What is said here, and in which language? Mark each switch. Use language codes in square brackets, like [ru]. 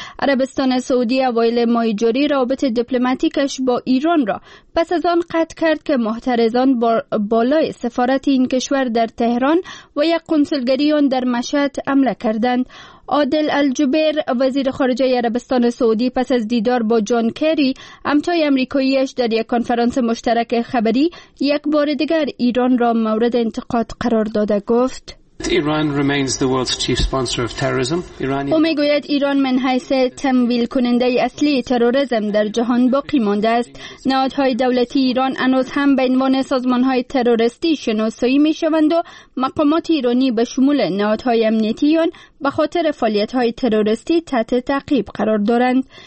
[fa] عربستان سعودی اوایل ماه جاری رابط دیپلماتیکش با ایران را پس از آن قطع کرد که معترضان بالای سفارت این کشور در تهران و یک کنسولگری آن در مشهد حمله کردند. عادل الجبیر وزیر خارجه عربستان سعودی پس از دیدار با جان کری همتای آمریکاییش در یک کنفرانس مشترک خبری یک بار دیگر ایران را مورد انتقاد قرار داده گفت: [en] Iran remains the world's chief sponsor of terrorism. [fa] او می گوید ایران من حیث تمویل کننده اصلی تروریسم در جهان باقی مانده است. نهادهای دولتی ایران هنوز هم به عنوان سازمانهای تروریستی شناسایی می شوند و مقامات ایرانی به شمول نهادهای امنیتی آن به خاطر فعالیت‌های تروریستی تحت تعقیب قرار دارند.